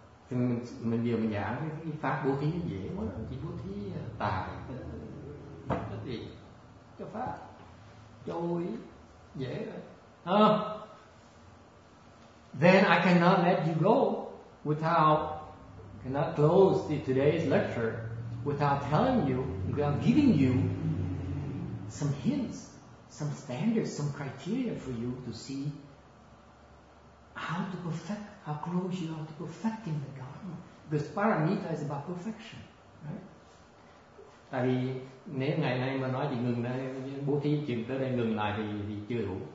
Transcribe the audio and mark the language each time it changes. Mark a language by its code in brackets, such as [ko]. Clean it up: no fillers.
[vi] Thì mình vừa mình giảng cái pháp bố thí dễ quá, chỉ bố thí tài, cái gì, cái pháp, trôi dễ rồi. [en] Then I cannot let you go without. Cannot close today's lecture without telling you, without giving you some hints, some standards, some criteria for you to see how to perfect, how close you are to perfecting the Dharma. Because paramita is about perfection, right? [vi] Tại vì nếu ngày nay mà nói thì ngừng đây, bố thí chừng tới đây ngừng lại thì chưa đủ.